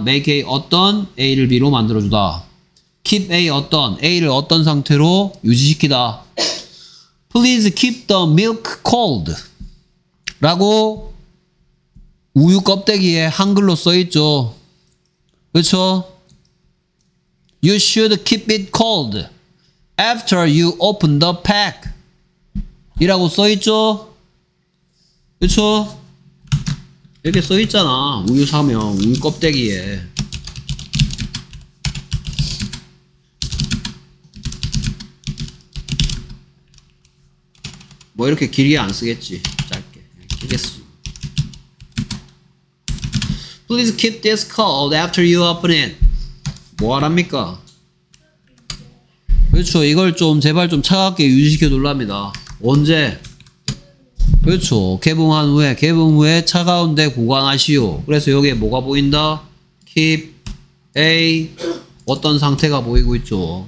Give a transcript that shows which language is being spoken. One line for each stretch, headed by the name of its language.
Korean: make a 어떤, a를 b로 만들어주다. keep a 어떤, a를 어떤 상태로 유지시키다.
English: please keep the milk cold.
Korean: 라고 우유 껍데기에 한글로 써있죠. 그쵸?
English: You should keep it cold after you open the pack.
Korean: 이라고 써있죠? 그쵸? 이렇게 써있잖아. 우유 사면, 우유 껍데기에. 뭐 이렇게 길게 안 쓰겠지. 짧게. 길게 쓰지.
English: Please keep this cold after you open it.
Korean: 뭐 하랍니까? 그렇죠. 이걸 좀 제발 좀 차갑게 유지시켜 놀랍니다. 언제? 그렇죠. 개봉한 후에, 개봉 후에 차가운데 보관하시오. 그래서 여기에 뭐가 보인다? keep a 어떤 상태가 보이고 있죠.